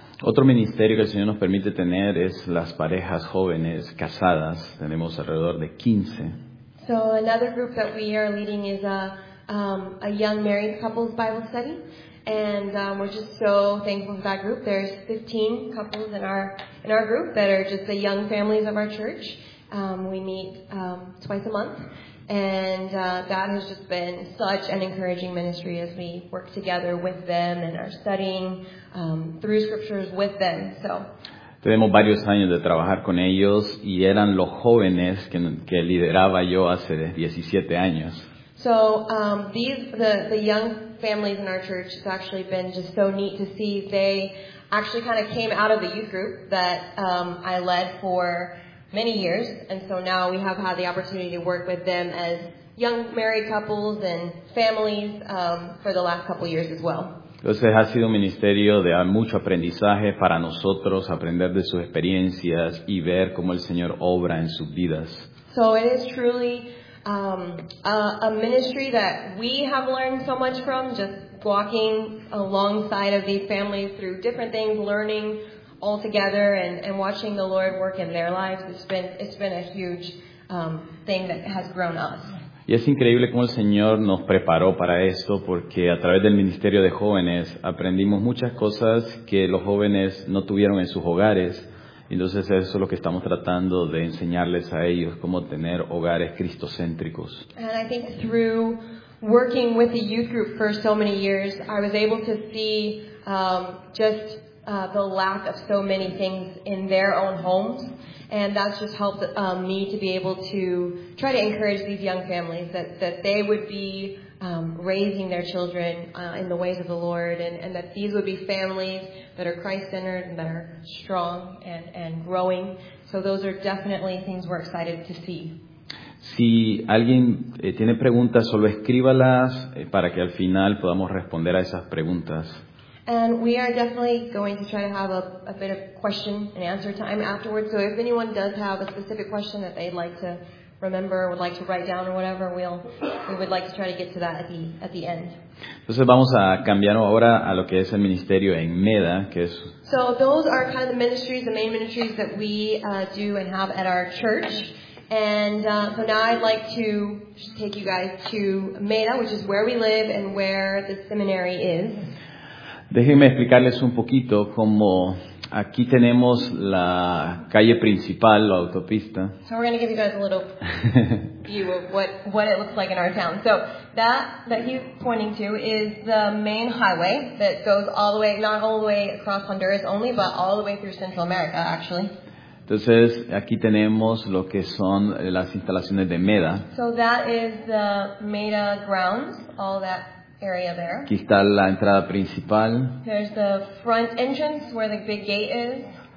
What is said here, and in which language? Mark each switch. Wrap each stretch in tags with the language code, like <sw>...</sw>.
<es>Otro ministerio que el Señor nos permite tener es las parejas jóvenes casadas. Tenemos alrededor de 15.</es> <en>So another group that we are leading is a young married couples Bible study, and we're just so thankful for that group. There's 15 couples in our group that are just the young families of our church. We meet twice a month, and that has just been such an encouraging ministry as we work together with them and are studying through scriptures with them. So.</en> <es>Tenemos varios años de trabajar con ellos y eran los jóvenes que lideraba yo hace 17 años.</es> <en>So the young families in our church, it's actually been just so neat to see. They actually kind of came out of the youth group that I led for many years, and so now we have had the opportunity to work with them as young married couples and families for the last couple years as well.</en> <es>Entonces ha sido un ministerio de mucho aprendizaje para nosotros, aprender de sus experiencias y ver cómo el Señor obra en sus vidas.</es> <en>So it is truly a ministry that we have learned so much from, just walking alongside of these families through different things, learning all together and watching the Lord work in their lives. It's been a huge thing that has grown us.</en> <es>Y es increíble cómo el Señor nos preparó para esto, porque a través del Ministerio de Jóvenes aprendimos muchas cosas que los jóvenes no tuvieron en sus hogares. Entonces eso es lo que estamos tratando de enseñarles a ellos, cómo tener hogares cristocéntricos.</es> <en>And I think through working with the youth group for so many years, I was able to see the lack of so many things in their own homes. And that's just helped me to be able to try to encourage these young families that they would be raising their children in the ways of the Lord, and that these would be families that are Christ-centered and that are strong and growing. So those are definitely things we're excited to see.</en> <es>Si alguien tiene preguntas, solo escríbalas para que al final podamos responder a esas preguntas.</es> <en>And we are definitely going to try to have a bit of question and answer time afterwards. So if anyone does have a specific question that they'd like to remember or would like to write down or whatever, we would like to try to get to that at the end.</en> <es>Entonces vamos a cambiar ahora a lo que es el ministerio en MEDA, que es.</es> <en>So those are kind of the main ministries that we do and have at our church. And so now I'd like to take you guys to MEDA, which is where we live and where the seminary is.</en> <es>Déjenme explicarles un poquito cómo aquí tenemos la calle principal, la autopista.</es> <en>So we're going to give you guys a little view of what it looks like in our town. So that he's pointing to is the main highway that goes all the way, not all the way across Honduras only, but all the way through Central America, actually.</en> <es>Entonces, aquí tenemos lo que son las instalaciones de MEDA.</es> <en>So that is the MEDA grounds, all that area there.</en> <es>Aquí está la entrada principal.</es> <en>There's the front entrance where the big gate is.</en>